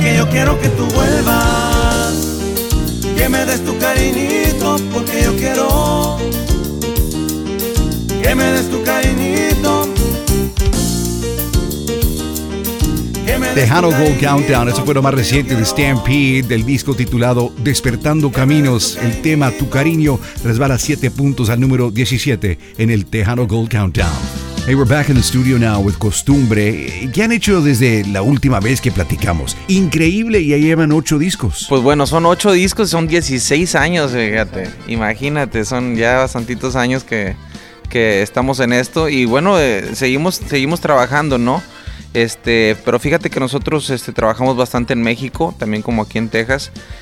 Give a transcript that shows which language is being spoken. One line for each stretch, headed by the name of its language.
Spanish: Quiero que tú vuelvas, que me des tu cariñito, porque yo quiero que me des tu cariñito. Tejano Gold Countdown es el cuento más reciente de Stampede, del disco titulado Despertando Caminos. El tema Tu Cariño resbala 7 puntos al número 17 en el Tejano Gold Countdown.
English: Hey, we're back in the studio now with Costumbre.
Spanish: ¿Qué han hecho desde la última vez que platicamos? Increíble, ya llevan 8 discos. Pues bueno, son 8 discos, son 16 años, fíjate. Imagínate, son ya bastantitos años que estamos en esto. Y bueno, seguimos trabajando, ¿no? Pero fíjate que nosotros trabajamos bastante en México, también como aquí en Texas.